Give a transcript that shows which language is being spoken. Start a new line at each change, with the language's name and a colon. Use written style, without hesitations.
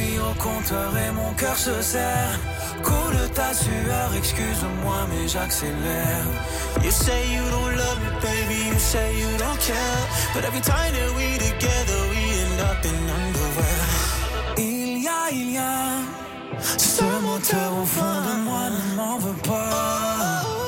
French: au compteur et mon cœur se serre. Coule ta sueur, excuse-moi mais j'accélère.
English: You say you don't love me baby, you say you don't care. But every time that we together we end up in underwear.
French: Il y a ce moteur au fond de moi ne m'en veut pas.